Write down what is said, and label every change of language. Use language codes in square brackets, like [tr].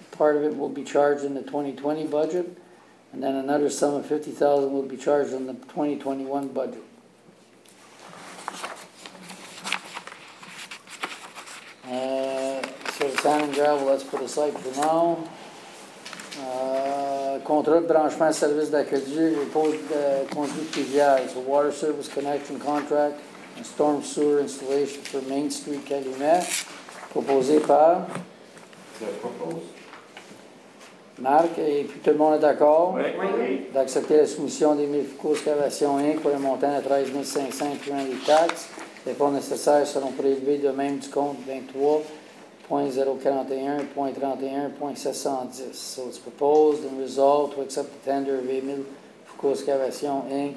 [en] Part of it will be charged in the 2020 budget, and then another sum of $50,000 will be charged in the 2021 budget. So sand and gravel, that's for the site for now. [fr] contrat de branchement service d'aqueduc et pose de conduite fluviale. [en] So water service connection contract and storm sewer installation for Main Street Calumet, [fr] proposé par. Je propose. Marc, et puis tout le monde est d'accord? Oui. D'accepter la soumission des Mifco Excavation Inc. pour le montant de 13 500 incluant les taxes. Les fonds nécessaires seront prélevés de même du compte 23.041.31.710. [en] So it's proposed and resolved to accept the tender of 8 000 Fuku Excavation Inc.